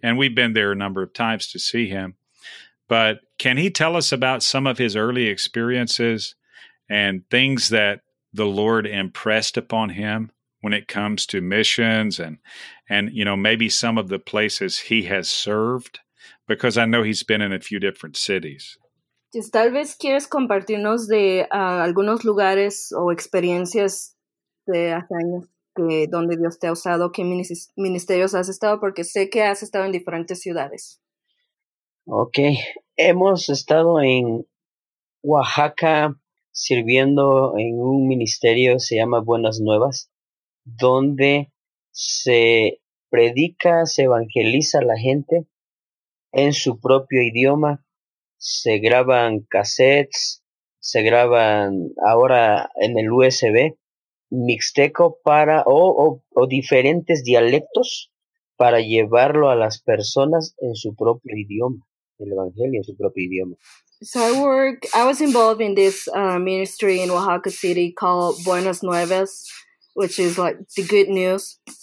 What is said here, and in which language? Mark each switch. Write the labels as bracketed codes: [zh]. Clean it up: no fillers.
[en] And we've been there a number of times to see him. But can he tell us about some of his early experiences and things that the Lord impressed upon him when it comes to missions and you know, maybe some of the places he has served? Because I know he's been in a few different cities. [es] Tal vez quieres compartirnos de algunos lugares o experiencias de hace años donde Dios te ha usado, qué ministerios has estado, porque sé que has estado en diferentes ciudades. Ok, hemos estado en Oaxaca sirviendo en un ministerio, se llama Buenas Nuevas, donde se predica, se evangeliza a la gente en su propio idioma, se graban cassettes, se graban ahora en el USB, mixteco para o diferentes dialectos para llevarlo a las personas en su propio idioma, el evangelio en su propio idioma. [en] So I was involved in this ministry in Oaxaca City called Buenas Nuevas, which is like the good news.